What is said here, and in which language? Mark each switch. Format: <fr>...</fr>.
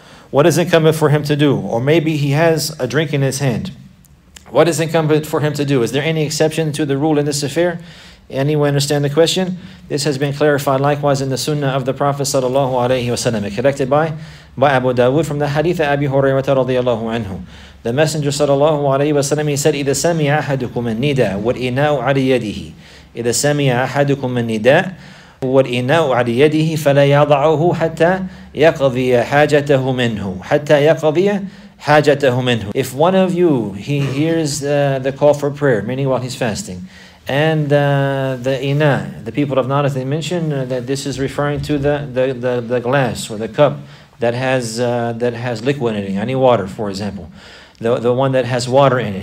<en>What is incumbent for him to do? Or maybe he has a drink in his hand. What is incumbent for him to do? Is there any exception to the rule in this affair? Anyone understand the question? This has been clarified likewise in the Sunnah of the Prophet sallallahu alaihi wasallam, collected by Abu Dawud from the Hadith of Abi Hurairah radiyallahu anhu. The Messenger sallallahu alaihi wasallam, he said,</en> <ar>إِذَا سَمِعَ أَحَدُكُمْ النِّدَاءَ وَالْإِنَاءُ عَلَى يَدِهِ إِذَا سَمِعَ أَحَدُكُمْ النِّدَاءَ وَالْإِنَاءُ عَلَى يَدِهِ فَلَا يَضَعُهُ حَتَّى يَقْضِيَ حَاجَتَهُ مِنْهُ حَتَّى يَقْضِيَ حَاجَتَهُ مِنْهُ.</ar> <en>If one of you, he hears the call for prayer, meaning while he's fasting, and the ina, the people of knowledge, they mention that this is referring to the glass or the cup that has liquid in it, any water, for example, the one that has water in it.</en>